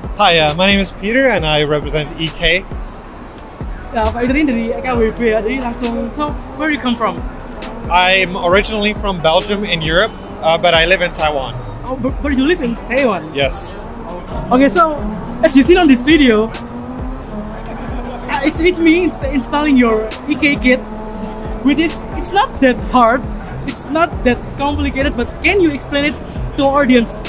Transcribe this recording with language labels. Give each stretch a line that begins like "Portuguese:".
English: Hi, my name is Peter and I represent EK.
Indonesian: Ya, yeah, Pak Peter ini dari IKWB ya. Jadi langsung,
English: so where do you come from? I'm originally from Belgium in Europe, but I live in Taiwan. Oh, but you live in Taiwan? Yes. Okay, so as you see on this video, it means installing your EK kit, which is, it's not that hard, it's not that complicated, but can you explain it to our audience?